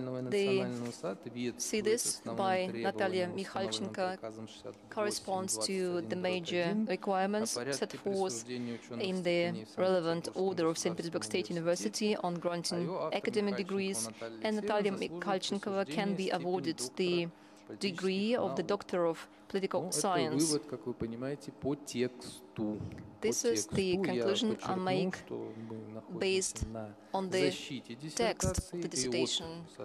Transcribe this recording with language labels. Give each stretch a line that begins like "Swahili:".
English: They see this by Natalya Mihalchenkova corresponds to the major requirements set forth in the relevant order of St. Petersburg State University on granting academic degrees, and Natalya Mihalchenkova can be awarded the degree of the Doctor of Political Science.
Russian: Вывод, как вы понимаете, по тексту.
English: This is the conclusion I make based on the text of the dissertation.